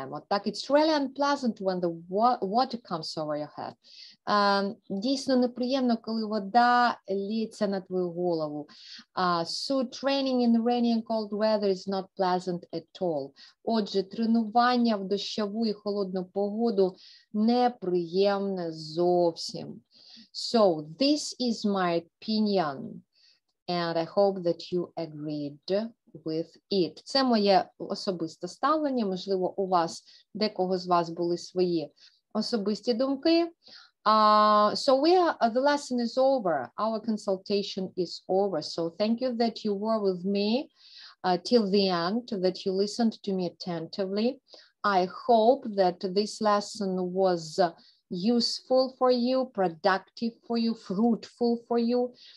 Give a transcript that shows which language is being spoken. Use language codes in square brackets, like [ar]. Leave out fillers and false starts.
[en] Так, it's really unpleasant when the water comes over your head. [uk] Дійсно неприємно, коли вода лється на твою голову. [en] So training in rainy and cold weather is not pleasant at all. [uk] Отже, тренування в дощову і холодну погоду неприємне зовсім. [en] So this is my opinion, and I hope that you agreed with it. [uk] Це моє особисте ставлення. Можливо, у вас, декого з вас були свої особисті думки. [en] The lesson is over. Our consultation is over. So thank you that you were with me till the end, that you listened to me attentively. I hope that this lesson was useful for you, productive for you, fruitful for you.